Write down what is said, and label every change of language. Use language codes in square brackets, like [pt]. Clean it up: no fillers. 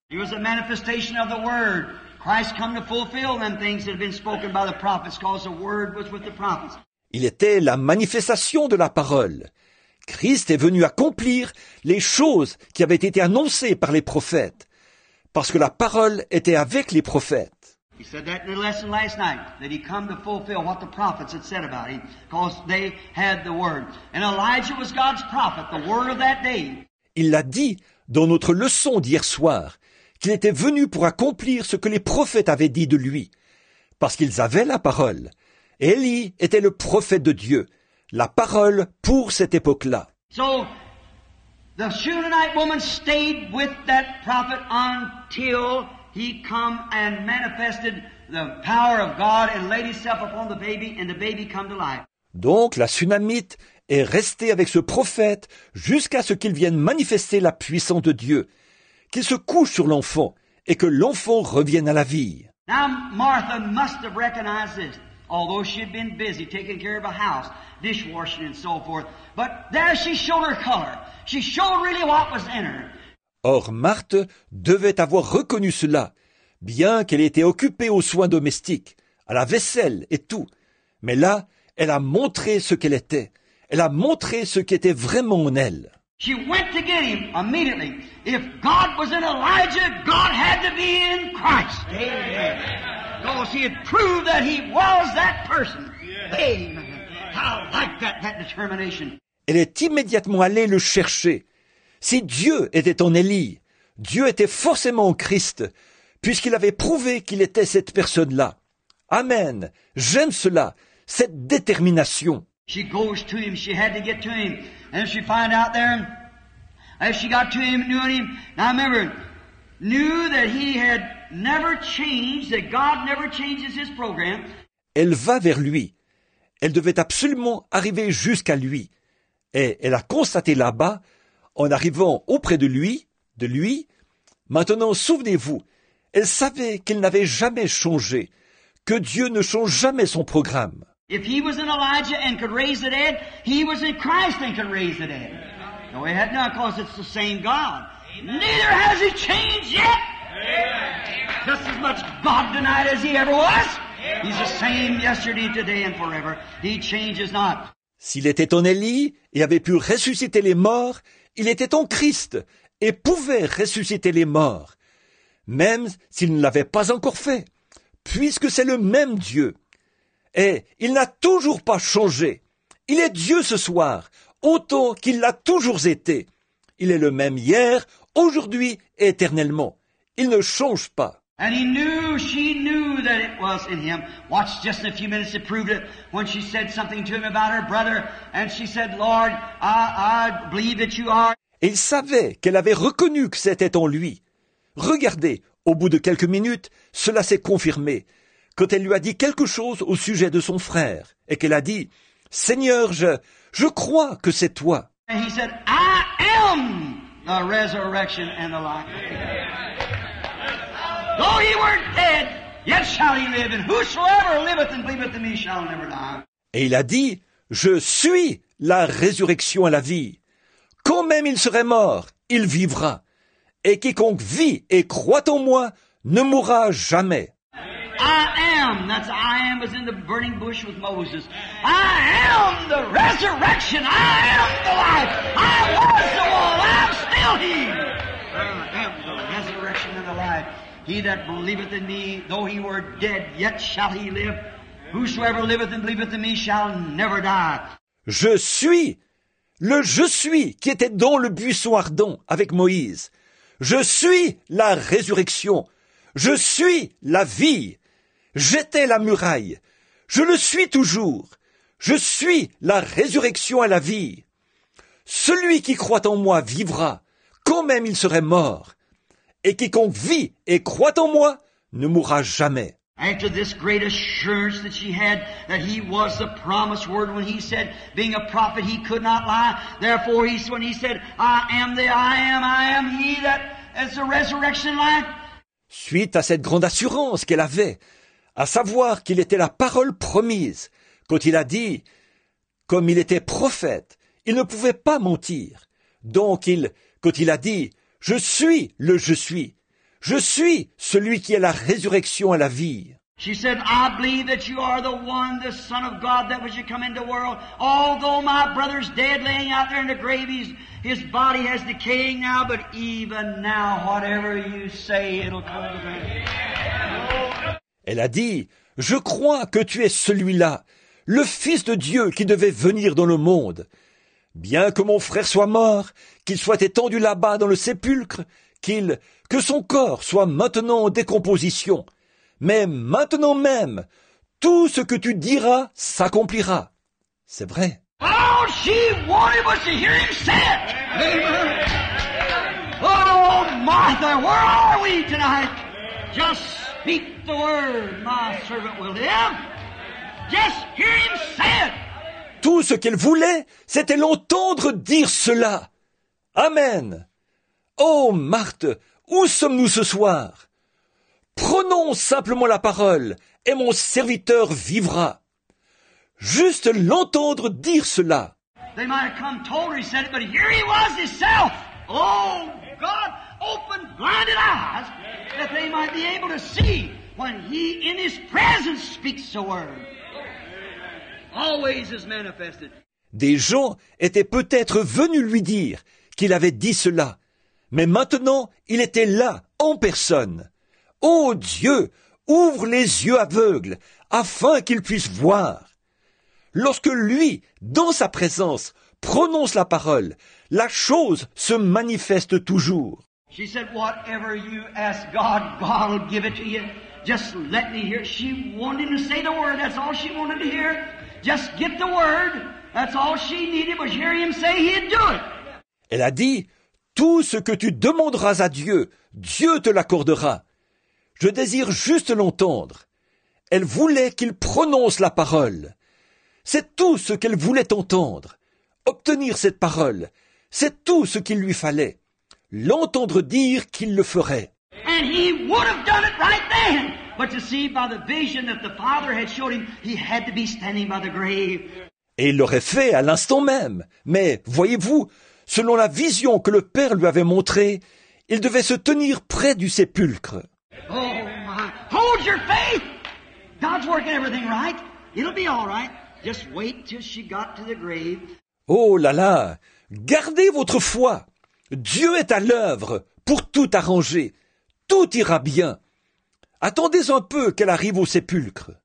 [fr] Il était la manifestation de la parole. Christ est venu pour accomplir les choses qui ont été dites par les prophètes, parce que la parole était avec les prophètes. Il était la manifestation de la parole. Christ est venu accomplir les choses qui avaient été annoncées par les prophètes, parce que la parole était avec les prophètes. [en] He said that in the lesson last night, that he came to fulfill what the prophets had said about him, because they had the word. And Elijah was God's prophet, the word of that day. [fr] Il l'a dit dans notre leçon d'hier soir, qu'il était venu pour accomplir ce que les prophètes avaient dit de lui, parce qu'ils avaient la parole. Élie était le prophète de Dieu, la parole pour cette époque-là. [en] So, the Shunammite woman stayed with that prophet until he come and manifested the power of God and laid himself upon the baby and the baby come to life. [fr] Donc, la Shunammite est restée avec ce prophète jusqu'à ce qu'il vienne manifester la puissance de Dieu, qu'il se couche sur l'enfant et que l'enfant revienne à la vie. [en] Now, Martha must have recognized this. Although she had been busy taking care of a house, dishwashing and so forth, but there she showed her color. She showed really what was in her. [fr] Or, Marthe devait avoir reconnu cela, bien qu'elle était occupée aux soins domestiques, à la vaisselle et tout. Mais là, elle a montré ce qu'elle était. Elle a montré ce qui était vraiment en elle. [en] She went to get him immediately. If God was in Elijah, God had to be in Christ. Amen. Because he had proved that he was that person. Yes. Amen. I like that determination. [fr] Elle est immédiatement allée le chercher. Si Dieu était en Élie, Dieu était forcément en Christ, puisqu'il avait prouvé qu'il était cette personne-là. Amen. J'aime cela, cette détermination. [en] She goes to him, she had to get to him. And she find out there, as she got to him, knew him. Now remember, knew that he had never changed, that God never changes his program. [fr] Elle va vers lui. Elle devait absolument arriver jusqu'à lui. Et elle a constaté là-bas, en arrivant auprès de lui, maintenant souvenez-vous, elle savait qu'il n'avait jamais changé, que Dieu ne change jamais son programme. [en] If he was in Elijah and could raise the dead, he was in Christ and could raise the dead. No, he had not, because it's the same God. Amen. Neither has he changed yet. Amen. Just as much God tonight as he ever was. Amen. He's the same yesterday, today and forever. He changes not. [fr] S'il était en Élie et avait pu ressusciter les morts, il était en Christ et pouvait ressusciter les morts, même s'il ne l'avait pas encore fait, puisque c'est le même Dieu. Et il n'a toujours pas changé. Il est Dieu ce soir, autant qu'il l'a toujours été. Il est le même hier, aujourd'hui et éternellement. Il ne change pas. [en] And he knew, she knew that it was in him. Watch just in a few minutes to prove it. When she said something to him about her brother, and she said, Lord, I believe that you are. [fr] Et il savait qu'elle avait reconnu que c'était en lui. Regardez, au bout de quelques minutes, cela s'est confirmé. Quand elle lui a dit quelque chose au sujet de son frère, et qu'elle a dit, « Seigneur, je crois que c'est toi. » [en] And he said, « I am the resurrection and the life. Amen. Though he were dead, yet shall he live, and whosoever liveth and believeth in me shall never die. » [fr] Et il a dit, « Je suis la résurrection et la vie. Quand même il serait mort, il vivra. Et quiconque vit et croit en moi ne mourra jamais. » [en] I am. That's I am as in the burning bush with Moses. I am the resurrection. I am the life. I was the one. I am still he. I am the resurrection and the life. He that believeth in me, though he were dead, yet shall he live. Whosoever liveth and believeth in me shall never die. [fr] Je suis le je suis qui était dans le buisson ardent avec Moïse. Je suis la résurrection. Je suis la vie. J'étais la muraille. Je le suis toujours. Je suis la résurrection et la vie. Celui qui croit en moi vivra, quand même il serait mort. Et quiconque vit et croit en moi ne mourra jamais. [en] After this great assurance that she had, that he was the promised word when he said, being a prophet, he could not lie. Therefore, when he said, I am the I am he that is the resurrection life. [fr] Suite à cette grande assurance qu'elle avait, à savoir qu'il était la parole promise, quand il a dit, comme il était prophète, il ne pouvait pas mentir. Donc, quand il a dit, je suis le je suis. Je suis celui qui est la résurrection et la vie. [en] She said, I believe that you are the one, the Son of God, that was to come into the world. Although my brother's dead, laying out there in the grave, his body has decaying now, but even now, whatever you say, it'll come to pass. [fr] Elle a dit, je crois que tu es celui-là, le Fils de Dieu qui devait venir dans le monde. Bien que mon frère soit mort, qu'il soit étendu là-bas dans le sépulcre, que son corps soit maintenant en décomposition. Mais maintenant même, tout ce que tu diras s'accomplira. C'est vrai. [en] All she wanted was to hear him say it. Amen. Oh, Martha, where are we tonight? Just speak the word, my servant will live. Just hear him say it. [fr] Tout ce qu'elle voulait, c'était l'entendre dire cela. Amen. « Oh, Marthe, où sommes-nous ce soir? Prenons simplement la parole, et mon serviteur vivra. » Juste l'entendre dire cela. [en] They might have come told her, he said it, but here he was himself. Oh, God, open blinded eyes, that they might be able to see when he in his presence speaks the word. Always is manifested. [fr] Des gens étaient peut-être venus lui dire qu'il avait dit cela. Mais maintenant, il était là, en personne. Oh Dieu, ouvre les yeux aveugles, afin qu'ils puissent voir. Lorsque lui, dans sa présence, prononce la parole, la chose se manifeste toujours. [en] She said, whatever you ask God, God will give it to you. Just let me hear. She wanted to say the word, that's all she wanted to hear. Just get the word, that's all she needed, was hear him say he'd do it. [fr] Elle a dit, tout ce que tu demanderas à Dieu, Dieu te l'accordera. Je désire juste l'entendre. Elle voulait qu'il prononce la parole. C'est tout ce qu'elle voulait entendre. Obtenir cette parole, c'est tout ce qu'il lui fallait. L'entendre dire qu'il le ferait. [en] And he would have done it right then. But to see by the vision that the Father had showed him, he had to be standing by the grave. [fr] Et il l'aurait fait à l'instant même. Mais voyez-vous, selon la vision que le Père lui avait montrée, il devait se tenir près du sépulcre. [en] Oh, my. Hold your faith! God's working everything right. It'll be all right. Just wait till she got to the grave. [fr] Oh là là! Gardez votre foi! Dieu est à l'œuvre pour tout arranger. Tout ira bien. Attendez un peu qu'elle arrive au sépulcre.